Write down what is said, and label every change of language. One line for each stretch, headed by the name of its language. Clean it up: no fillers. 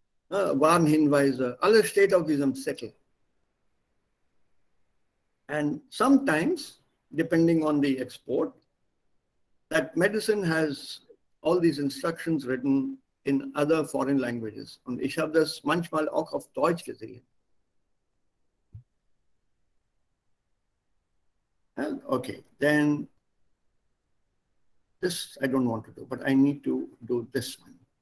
German: Warnhinweise, alles steht auf diesem Zettel.
English: And sometimes, depending on the export, that medicine has all these instructions written in other foreign languages.
German: Und ich habe das manchmal auch auf Deutsch gesehen.
English: Okay, then this I don't want to do, but I need to do this one.